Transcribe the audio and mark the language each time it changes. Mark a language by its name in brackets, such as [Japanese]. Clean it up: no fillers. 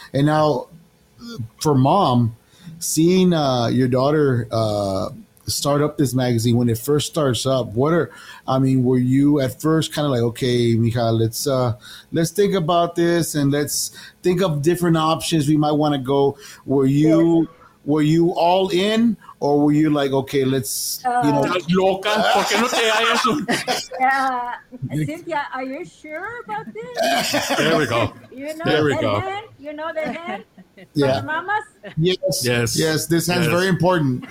[English] And now for mom, seeing your daughter start up this magazine when it first starts up, were you at first kind of like, okay, Mija, let's think about this and let's think of different options we might want to go. Were you all in, or were you like, okay, let's, you know. [Spanish] Estás loca, ¿por qué no te hagas eso? [English] Cynthia, are you sure about this? There we go. You know the hand? Yeah. From mamas? Yes. Yes. Yes, this hand's very important.